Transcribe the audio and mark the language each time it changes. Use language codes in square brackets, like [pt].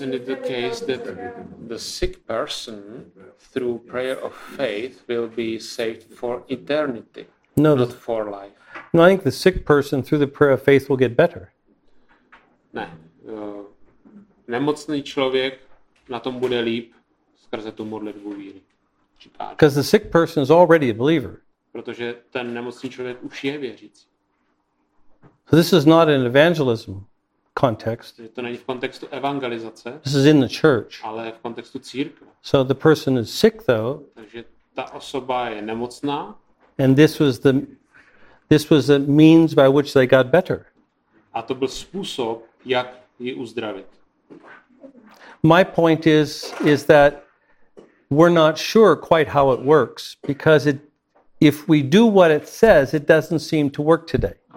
[en] Isn't it the case that the sick person through prayer of faith will be saved for eternity? No, not for life. No, I think the sick person through the prayer of faith will get better. [cs] Ne. Nemocný člověk na tom bude líp skrze tu modlitbu víry. [en] Because the sick person is already a believer. [cs] Protože ten nemocný člověk už je věřící. [en] So this is not an evangelism context. [cs] To není v kontextu evangelizace. [en] This is in the church. [cs] Ale v kontextu církve. [en] So the person is sick though. [cs] Takže ta osoba je nemocná. [en] And this was the means by which they got better. [cs] A to byl způsob, jak ji uzdravit. [en] My point is that we're not sure quite how it works because if we do what it says, it doesn't seem to work today.